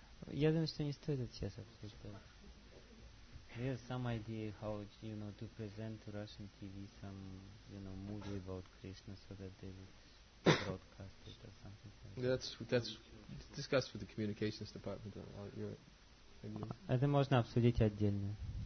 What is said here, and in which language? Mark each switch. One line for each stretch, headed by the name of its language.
Russian: Я думаю, что не стоит это сейчас обсуждать. Есть
English: some idea how you know to present to Russian TV some you know movie about Krishna so that they would broadcast it or something. Like that. That's discussed with the communications department.
Russian: Это можно обсудить отдельно.